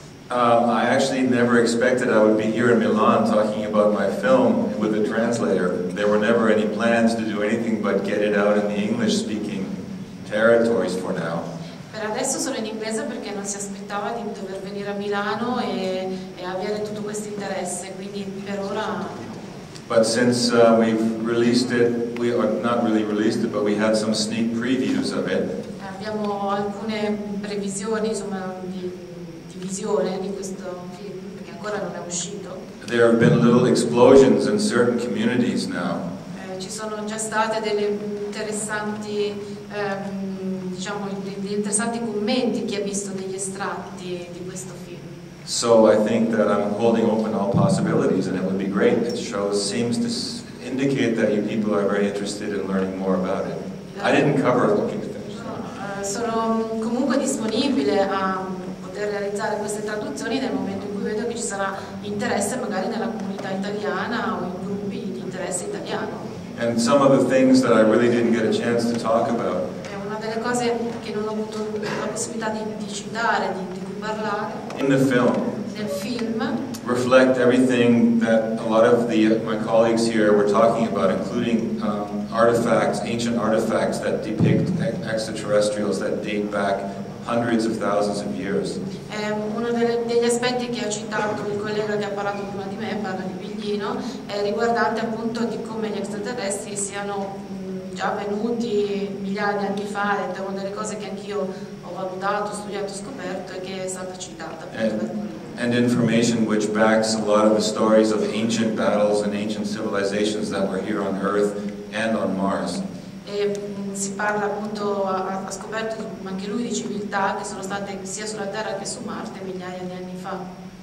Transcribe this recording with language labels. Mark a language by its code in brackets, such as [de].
[en] I actually never expected I would be here in Milan talking about my film with a translator. There were never any plans to do anything but get it out in the English-speaking territories for now. [it] Per adesso sono in inglese perché non si aspettava di dover venire a Milano e avere tutto questo interesse, quindi per ora. [en] But since we've released it, we are not really released it, but we had some sneak previews of it. [it] Abbiamo alcune previsioni, insomma, di visione di questo film, perché ancora non è uscito. [en] There have been little explosions in certain communities now. [it] Ci sono già state delle interessanti, diciamo, degli interessanti commenti chi ha visto degli estratti di questo film. [en] So I think that I'm holding open all possibilities, and it would be great. It shows, seems to indicate that you people are very interested in learning more about it. I didn't cover looking to finish. [it] Sono comunque disponibile a per realizzare queste traduzioni nel momento in cui vedo che ci sarà interesse magari nella comunità italiana o in gruppi di interesse italiano. [en] And some of the things that I really didn't get a chance to talk about. [it] È una delle cose che non ho avuto la possibilità di citare, di cui parlare. [en] In the film. [it] Nel film. [en] Reflect everything that a lot of the my colleagues here were talking about, including artifacts, ancient artifacts that depict extraterrestrials that date back hundreds of thousands of years. [it] Uno degli aspetti che ha citato il collega che ha parlato prima di me, parla di Biglino, è riguardante appunto di come gli extraterrestri siano già venuti migliaia di anni fa, è una delle cose che anch'io ho valutato, studiato, scoperto e che è stata citata. [en] And information which backs a lot of the stories of ancient battles and ancient civilizations that were here on Earth and on Mars. [it] Si parla appunto, ha scoperto anche lui di civiltà che sono state sia sulla Terra che su Marte migliaia di anni fa.